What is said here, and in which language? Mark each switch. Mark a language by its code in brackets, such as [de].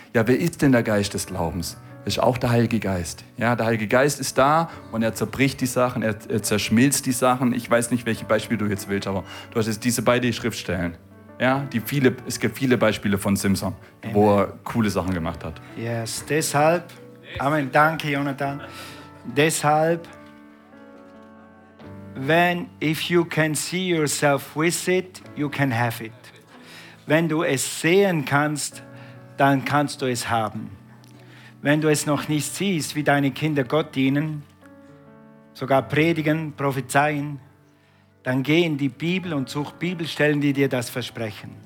[de] Ja, wer ist denn der Geist des Glaubens? Das ist auch der Heilige Geist. Ja, der Heilige Geist ist da und er zerbricht die Sachen, er zerschmilzt die Sachen. Ich weiß nicht, welche Beispiele du jetzt willst, aber du hast jetzt diese beiden Schriftstellen. Ja, es gibt viele Beispiele von Simson, wo er coole Sachen gemacht hat. [en] Yes, [de] deshalb, Amen, danke Jonathan, deshalb, [en] when if you can see yourself with it, you can have it. [de] Wenn du es sehen kannst, dann kannst du es haben. Wenn du es noch nicht siehst, wie deine Kinder Gott dienen, sogar predigen, prophezeien, dann geh in die Bibel und such Bibelstellen, die dir das versprechen.